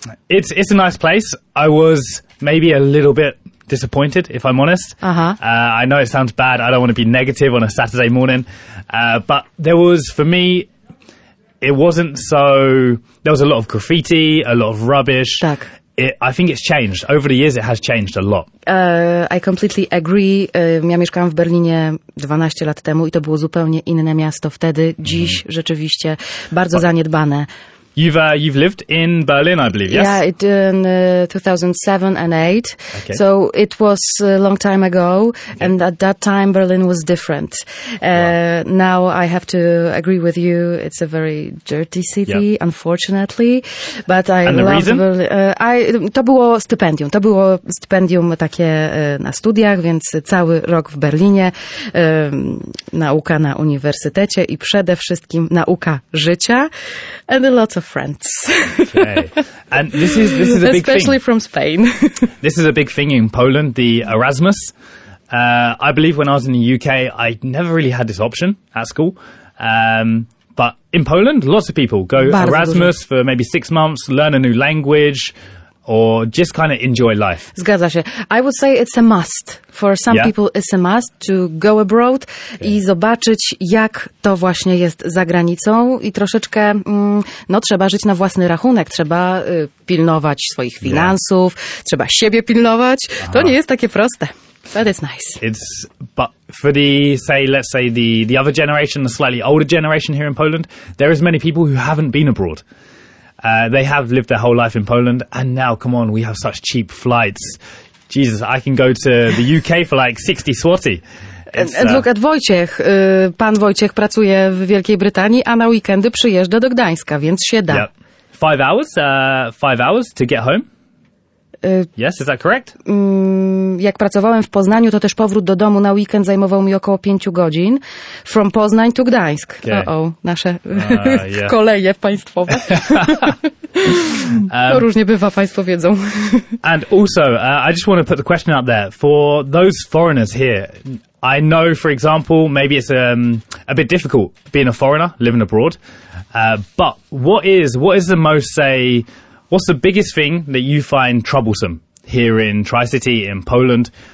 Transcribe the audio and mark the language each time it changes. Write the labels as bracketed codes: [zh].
[en] It's a nice place. I was maybe a little bit disappointed, if I'm honest. Uh-huh. I know it sounds bad. I don't want to be negative on a Saturday morning, but there was for me. It wasn't so. There was a lot of graffiti, a lot of rubbish. [pl] Tak. [en] I think it's changed. Over the years, it has changed a lot. I completely agree. [pl] Ja mieszkałam w Berlinie 12 lat temu i to było zupełnie inne miasto wtedy. Dziś rzeczywiście bardzo zaniedbane. [en] You've lived in Berlin, I believe, yes? Yeah, in 2007 and 8. Okay. So it was a long time ago, okay. And at that time Berlin was different. Wow. Now I have to agree with you, it's a very dirty city, yeah. Unfortunately. But I love [pl] Berlin. To było stypendium. To było stypendium takie na studiach, więc cały rok w Berlinie. Nauka na uniwersytecie i przede wszystkim nauka życia. [en] And a lot of friends. Okay. And this is a big thing. Especially from Spain. This is a big thing in Poland, the Erasmus. I believe when I was in the UK, I never really had this option at school. But in Poland, lots of people go Erasmus for maybe 6 months, learn a new language, or just kind of enjoy life. [pl] Zgadza się. [en] I would say it's a must. For some people, it's a must to go abroad [pl] i zobaczyć, jak to właśnie jest za granicą. I troszeczkę, trzeba żyć na własny rachunek. Trzeba pilnować swoich finansów, trzeba siebie pilnować. Aha. To nie jest takie proste. [en] But it's nice. But for the other generation, the slightly older generation here in Poland, there is many people who haven't been abroad. They have lived their whole life in Poland, and now, come on, we have such cheap flights. Jesus, I can go to the UK for like 60 zloty. And look at Wojciech. [pl] Pan Wojciech pracuje w Wielkiej Brytanii, a na weekendy przyjeżdża do Gdańska, więc się da. [en] Yep. 5 hours? 5 hours to get home? Yes, is that correct? [pl] Jak pracowałem w Poznaniu, to też powrót do domu na weekend zajmował mi około 5 godzin. [en] From Poznań to Gdańsk. Okay. [pl] Nasze koleje państwowe. To różnie bywa, państwo wiedzą. [en] And also, I just want to put the question out there. For those foreigners here, I know, for example, maybe it's a bit difficult being a foreigner, living abroad. But what is the most, say... What's the biggest thing that you find troublesome here in Tri-City, in Poland?